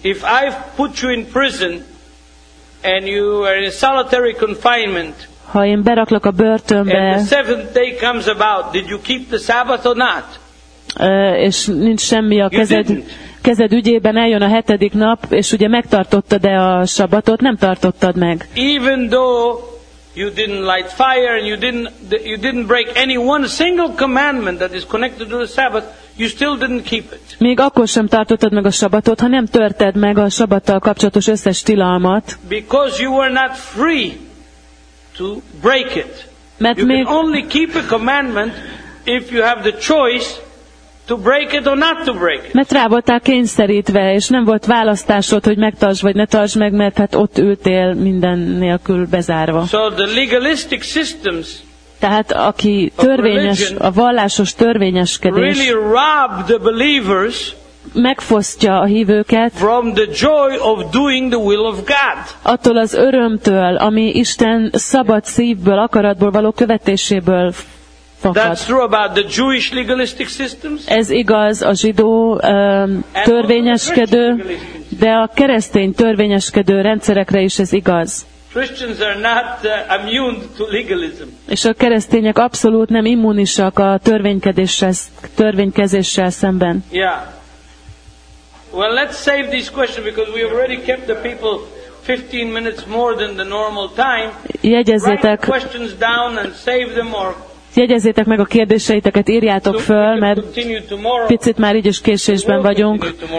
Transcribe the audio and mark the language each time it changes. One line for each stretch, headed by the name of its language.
English: If I put you in prison and you are in solitary confinement,
Hungarian: ha én beraklak a börtönbe,
English: and the seventh day comes about, did you keep the Sabbath or not?
Hungarian: És nincs semmi a kezed ügyében, eljön a hetedik nap, és ugye megtartottad-e a sabbatot, nem tartottad meg.
English: Even though you didn't light fire and you didn't break any one single commandment that is connected to the Sabbath, you still didn't keep it.
Hungarian: Még akkor sem tartottad meg a sabbatot, ha nem törted meg a sabbattal kapcsolatos összes tilalmat.
English: Because you were not free to break it.
Hungarian: Mert
English: you
Hungarian: még...
English: can only keep a commandment if you have the choice to break it or not to break it.
Hungarian: Mert rá voltál kényszerítve, és nem volt választásod, hogy megtartsd vagy ne tartsd meg, mert hát ott ültél minden nélkül bezárva.
English: So the legalistic systems,
Hungarian: tehát aki törvényes, a vallásos törvényeskedés
English: really rob the believers,
Hungarian: megfosztja a hívőket
English: from the joy of doing the will of God.
Hungarian: Attól az örömtől, ami Isten szabad szívből, akaratból való követéséből.
English: That's true about the Jewish legalistic systems.
Hungarian: Ez igaz a zsidó törvényeskedő, de a keresztény törvényeskedő rendszerekre is ez igaz.
English: Christians are not immune to legalism.
Hungarian: És a keresztények abszolút nem immunisak a törvénykezéssel szemben.
English: Yeah. Well, let's save this question because we already kept the people 15 minutes more than the normal time.
Hungarian: Jegyezzétek.
English: Write questions down and save them or
Hungarian: jegyezzétek meg a kérdéseiteket, írjátok föl, mert picit már így is késésben vagyunk.